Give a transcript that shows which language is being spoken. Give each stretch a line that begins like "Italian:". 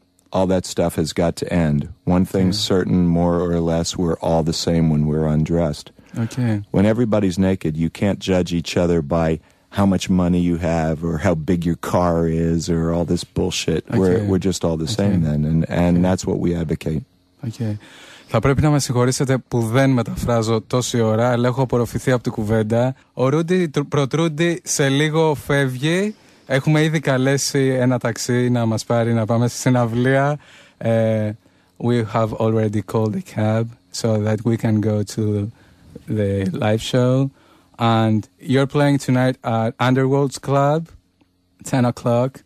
English: All that stuff has got to end. One thing's certain, more or less, we're all the same when we're undressed. Okay. When everybody's naked, you can't judge each other by how much money you have or how big your car is or all this bullshit. Okay. We're just all the same then, and that's what we advocate. Okay.
Greek: Θα πρέπει να με συγχωρήσετε που δεν μεταφράζω τόση ώρα, αλλά έχω απορροφηθεί από την κουβέντα. Ο Ρούντι Πρωτρούντι σε λίγο φεύγει. Έχουμε ήδη καλέσει ένα ταξί να μας πάρει να πάμε στη συναυλία.
English: We have already called a cab so that we can go to the live show, and you're playing tonight at Underworld's Club, 10 o'clock.